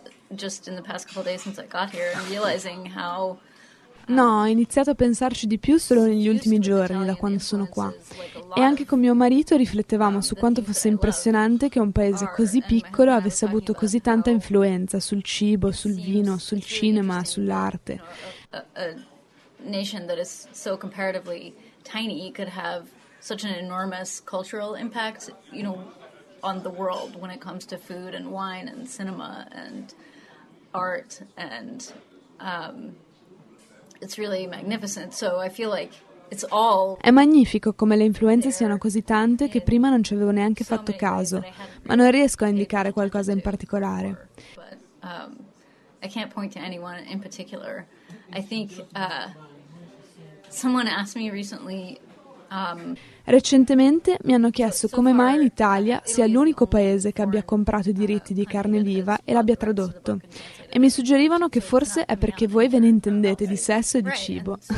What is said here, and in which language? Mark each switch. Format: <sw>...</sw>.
<en>Just in the past couple of days since I got here, and realizing how</en> <it>No, ho iniziato a pensarci di più solo negli ultimi giorni, da quando sono qua. E anche con mio marito riflettevamo su quanto fosse impressionante che un paese così piccolo avesse avuto così tanta influenza sul cibo, sul vino, sul cinema, sull'arte. Una nazione che è così comparativamente piccola</it> <en>such an enormous cultural impact, you know, on the world when it comes to food and wine and cinema and art and it's really magnificent. So I feel like it's all.</en> <it>È magnifico come le influenze siano così tante che prima non ci avevo neanche fatto caso, ma non riesco a indicare qualcosa in particolare.</it> <en>I can't point to anyone in particular. I think someone asked me recently.</en> <it>Recentemente mi hanno chiesto come mai l'Italia sia l'unico paese che abbia comprato i diritti di carne viva e l'abbia tradotto. E mi suggerivano che forse è perché voi ve ne intendete di sesso e di cibo.</it>